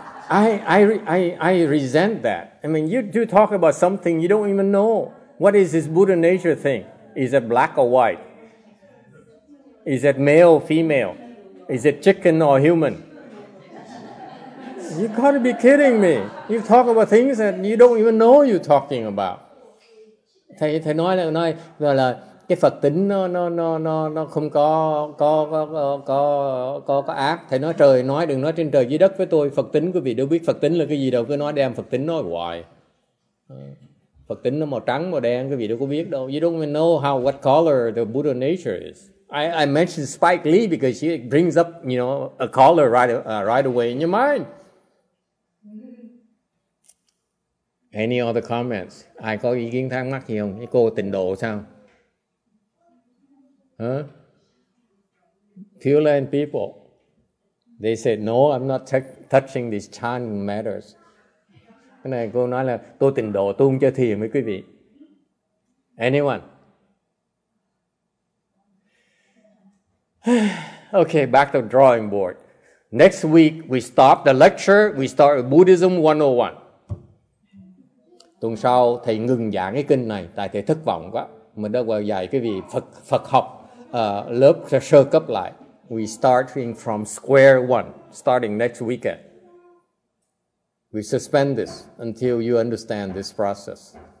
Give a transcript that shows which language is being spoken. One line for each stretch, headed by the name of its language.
English: I resent that. I mean, you do talk about something you don't even know. What is this Buddha nature thing? Is it black or white? Is it male or female? Is it chicken or human? You gotta be kidding me. You talk about things that you don't even know you're talking about.
Vietnamese: Thầy nói là cái Phật tính nó không có ác. Thầy nói trời, nói đừng nói trên trời dưới đất với tôi. Phật tính quý vị đâu biết Phật tính là cái gì đâu, cứ nói đem Phật tính nói hoài. Phật tính nó màu trắng, màu đen, cái gì đâu có biết đâu.
English: You don't even know how what color the Buddha nature is. I mentioned Spike Lee because he brings up, you know, a color right away in your mind. Any other comments?
Vietnamese: Ai có ý kiến thắc mắc gì không? Cái cô tình độ sao? Huh?
English: Pure Land people, they said, no, I'm not touching these chan matters.
Vietnamese: Cái này cô nói là tôi tình độ, tôi không chơi thiền với quý vị.
English: Anyone? Okay, back to the drawing board. Next week, we stop the lecture. We start with Buddhism 101.
Vietnamese: Tuần sau, thầy ngừng giảng cái kinh này. Tại thầy thất vọng quá. Mình đã dạy cái vị Phật học lớp sơ cấp lại.
English: We starting from square one, starting next weekend. We suspend this until you understand this process.